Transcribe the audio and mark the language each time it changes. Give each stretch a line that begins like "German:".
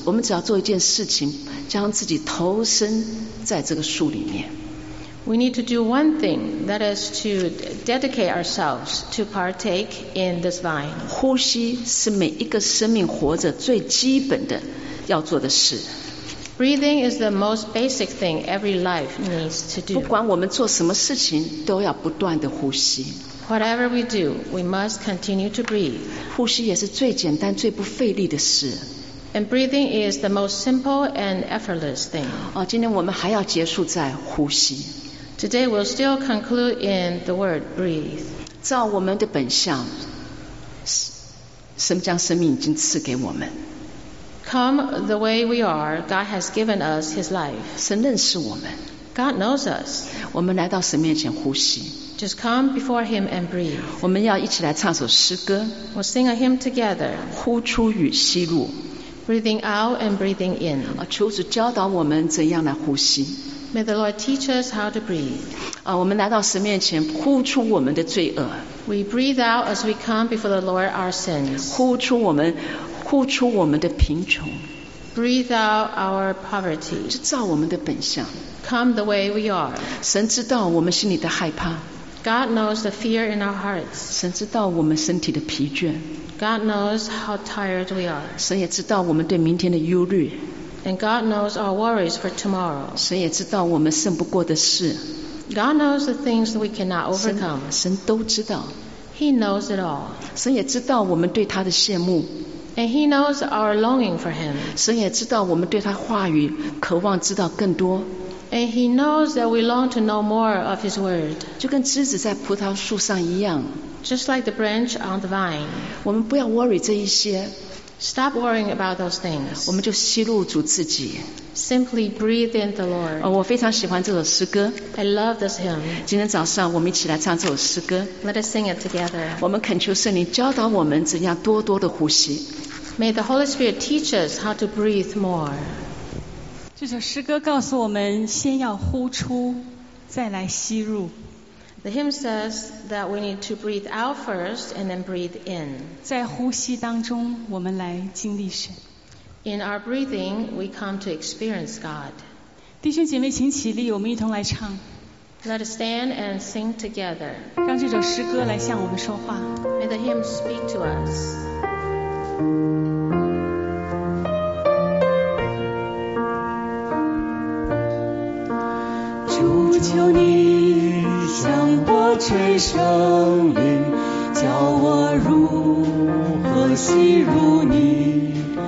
Chinese: 我们只要做一件事情，将自己投身在这个树里面。
English: We need to do one thing, that is to dedicate ourselves to partake in this vine.
Chinese: 呼吸是每一个生命活着最基本的要做的事。
English: Breathing is the most basic thing every life needs to do.
Chinese: 不管我们做什么事情，都要不断的呼吸。
English: Whatever we do, we must continue to breathe.
Chinese: 呼吸也是最简单、最不费力的事。
English: And breathing is the most simple and effortless thing.
Chinese: 今天我们还要结束在呼吸。
English: Today we'll still conclude in the word breathe.
Chinese: 照我们的本相，神将生命已经赐给我们。
English: Come the way we are, God has given us His life.
Chinese: 神认识我们。
English: God knows us.
Chinese: 我们来到神面前呼吸。
English: Just come before Him and breathe.
Chinese: 我们要一起来唱首诗歌。
English: We'll sing a hymn together.
Chinese: 呼出与吸入。
English: Breathing out and breathing in.
Chinese: 求主教导我们怎样来呼吸。
English: May the Lord teach us how to breathe.
Chinese: 我们来到神面前呼出我们的罪恶。
English: We breathe out as we come before the Lord our sins.
Chinese: 呼出我们的贫穷。
English: Breathe out our poverty.
Chinese: 就照我们的本相。
English: Come the way we are.
Chinese: 神知道我们心里的害怕。
English: God knows the fear in our hearts.
Chinese: 神知道我们身体的疲倦。
English: God knows how tired we are.
Chinese: 神也知道我们对明天的忧虑。
English: And God knows our worries for tomorrow.
Chinese: 神也知道我们胜不过的事。
English: God knows the things that we cannot overcome.
Chinese: 神都知道。
English: He knows it all.
Chinese: 神也知道我们对他的羡慕。
English: And He knows our longing for Him.
Chinese: 神也知道我们对他话语渴望知道更多。
English: And He knows that we long to know more of His word.
Chinese: 就跟枝子在葡萄树上一样。
English: Just like the branch on the vine.
Chinese: 我们不要 worry 这一些。
English: Stop worrying about those things.
Chinese: 我们就吸入主自己。
English: Simply breathe in the Lord.
Chinese: 我非常喜欢这首诗歌。
English: I love this hymn.
Chinese: 今天早上我们一起来唱这首诗歌。
English: Let us sing it together.
Chinese: 我们恳求圣灵教导我们怎样多多的呼吸。
English: May the Holy Spirit teach us how to breathe more.
Chinese: 这首诗歌告诉我们先要呼出，再来吸入。
English: The hymn says that we need to breathe out first and then breathe in.
Chinese: 在呼吸当中，我们来经历神。
English: In our breathing, we come to experience God.
Chinese: 弟兄姐妹，请起立，我们一同来唱。
English: Let us stand and sing together.
Chinese: 让这首诗歌来向我们说话。
English: May the hymn speak to us. Lord, you.
Chinese: 向我吹声音，教我如何吸入你，